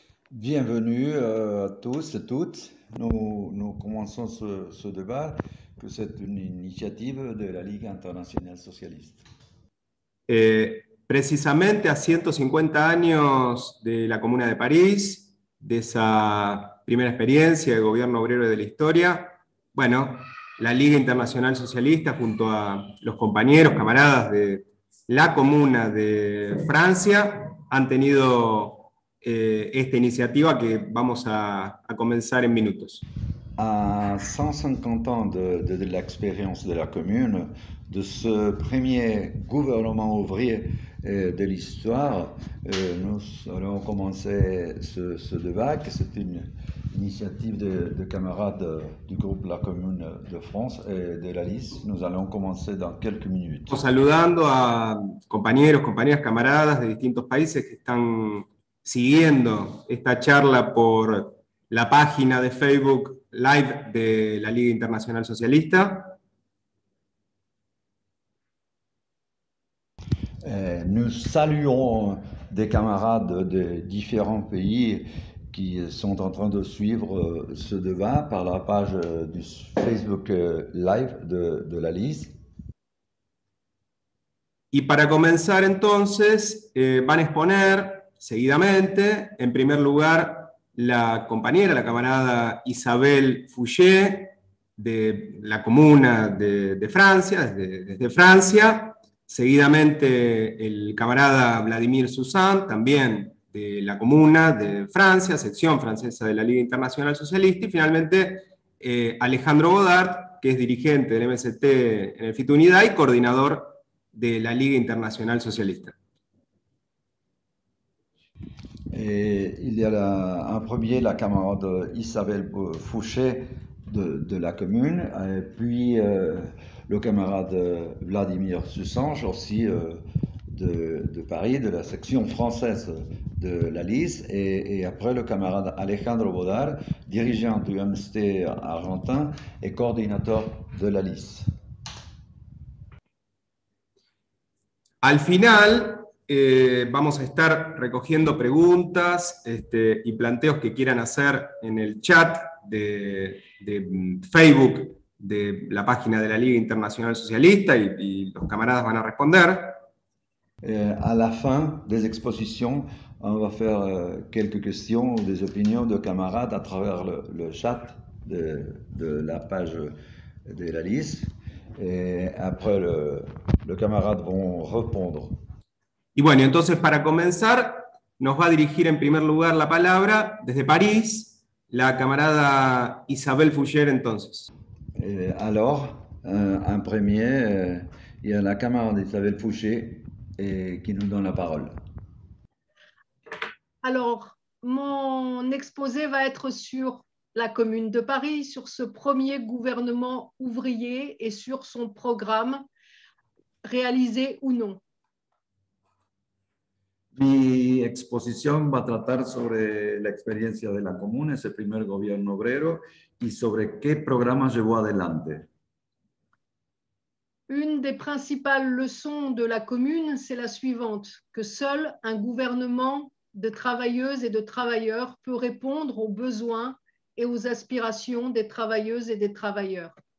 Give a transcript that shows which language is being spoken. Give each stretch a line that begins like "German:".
French: Bienvenue à tous et toutes. Nous commençons ce débat, que c'est une initiative de la Ligue internationale socialiste.
Spanish: Precisamente a 150 años de la Comuna de París, de esa primera experiencia de gobierno obrero de la historia. Bueno, la Liga Internacional Socialista, junto a los compañeros, camaradas de la Comuna de Francia, han tenido esta iniciativa que vamos a comenzar en minutos.
French: À 150 ans de l'expérience de la Commune, de ce premier gouvernement ouvrier de l'histoire, nous allons commencer ce débat, qui est une initiative de camarades du groupe La Commune de France et de la LIS. Nous allons commencer dans quelques minutes.
Spanish: Saludando a compañeros, compañeras, camaradas de distintos países que están siguiendo esta charla por la página de Facebook Live de la Liga Internacional Socialista.
French: Nous saluons des camarades de différents pays qui sont en train de suivre ce débat par la page du Facebook Live de la LIS.
Spanish: Y para comenzar entonces, van a exponer seguidamente, en primer lugar, la compañera, la camarada Isabelle Fouché, de la comuna de Francia, desde Francia. Seguidamente, el camarada Vladimir Suzan, también de la comuna de Francia, sección francesa de la Liga Internacional Socialista. Y finalmente, Alejandro Godard, que es dirigente del MST en el FIT Unidad y coordinador de la Liga Internacional Socialista.
French: Et il y a en premier la camarade Isabelle Fouché de la Commune, et puis le camarade Vladimir Sussange, aussi de Paris, de la section française de la LIS, et après le camarade Alejandro Bodard, dirigeant du MST argentin et coordinateur de la LIS.
Spanish: Al final, vamos a estar recogiendo preguntas, y planteos que quieran hacer en el chat de Facebook de la página de la Liga Internacional Socialista y los camaradas van a responder.
French: À la fin des expositions, on va faire quelques questions ou des opinions de camarades à travers le chat de la page de la liste. Et après, le camarade vont répondre.
Spanish: Y bueno, entonces para comenzar, nos va a dirigir en primer lugar la palabra desde París, la camarada Isabelle Fouché, entonces.
French: Et alors, en premier, il y a la camarade Isabelle Fouché. Et qui nous donne la parole. Alors, mon exposé va être sur la Commune de Paris, sur ce premier gouvernement ouvrier et sur son programme, réalisé ou non.
Spanish: Mi exposición va a tratar sobre la experiencia de la Comuna, ese primer gobierno obrero, y sobre qué programas llevó adelante.
French: Une des principales leçons de la Commune, c'est la suivante, que seul un gouvernement de travailleuses et de travailleurs peut répondre aux besoins et aux aspirations des travailleuses et des travailleurs.